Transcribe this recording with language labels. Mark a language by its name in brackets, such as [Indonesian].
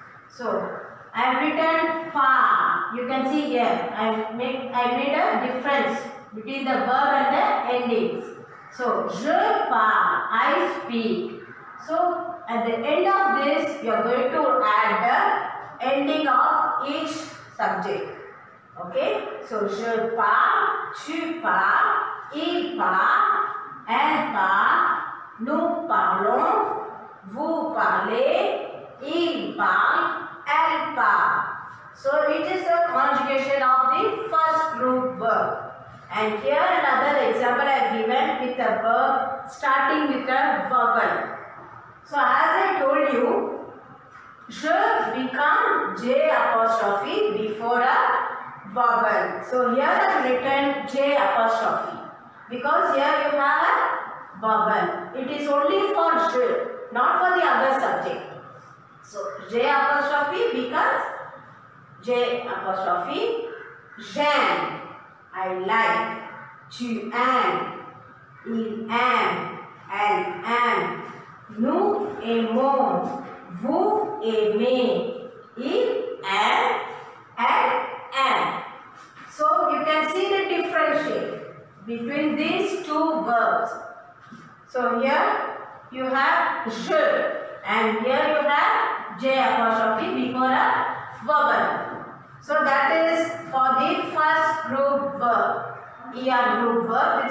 [English] So I have written par. You can see here I made a difference between the verb and the endings. So [French] je parle, [English] I speak. So at the end of this you are going to add the ending of each subject. [French] Okay, so je parle, tu parles, il parle, elle parle, nous parlons, vous parlez, il parle, elle parle. [English] So it is a conjugation of the first group verb. And here another example I have given with a verb starting with a vowel. So as I told you, je become j apostrophe before a vowel. So here I have written j apostrophe because here you have a vowel. It is only for je, not for the other subject. So j apostrophe becomes j apostrophe. [French] J'aime, [English] I like. [French] Tu aimes, il aime, elle aime. Nous aimons, vous aimez, il aime, elle aime. [English] So you can see the difference between these two verbs. So here you have je and here you have j apostrophe before a vowel. So that is for the first group verb, er group verb.